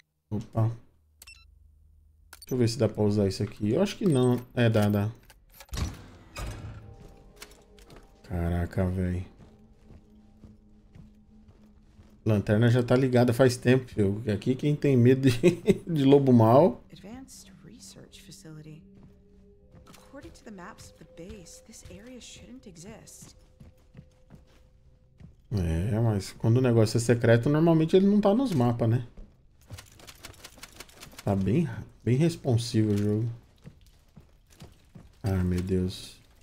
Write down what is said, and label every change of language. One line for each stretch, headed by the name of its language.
Portuguese: Opa. Deixa eu ver se dá pra usar isso aqui. Eu acho que não. É, dá, dá. Caraca, velho. Lanterna já tá ligada faz tempo, viu? Aqui quem tem medo de lobo mau.
English: Advanced research facility. According to the maps of the base, this area shouldn't exist.
Portuguese: É, mas quando o negócio é secreto, normalmente ele não tá nos mapas, né? Tá bem, bem responsivo o jogo. Ah, meu Deus.